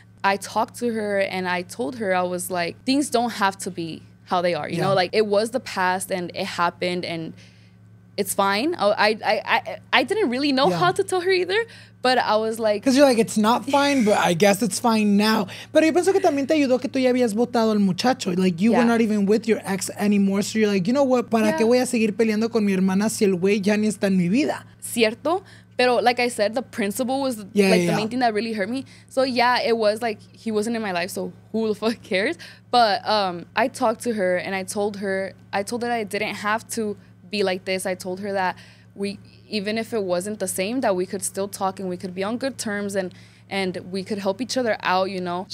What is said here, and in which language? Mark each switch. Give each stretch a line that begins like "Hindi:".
English: I talked to her and I told her, I was like, things don't have to be how they are, you know, like it was the past and it happened and it's fine. I didn't really know how to tell her either. But I was like, because you're like, it's not fine, but I guess it's fine now.
Spanish: Pero yo pienso que también te ayudó que tú ya habías votado al muchacho.
English: Like, you were not even with your ex anymore. So you're like, you know what?
Spanish: ¿Para qué voy a seguir peleando con mi hermana si el güey ya ni está en mi vida? Cierto.
English: Pero like I said, the principle was the main thing that really hurt me. So yeah, it was like, he wasn't in my life. So who the fuck cares? But I talked to her and I told her that I didn't have to be like this. I told her that even if it wasn't the same, that we could still talk and we could be on good terms and we could help each other out, you know?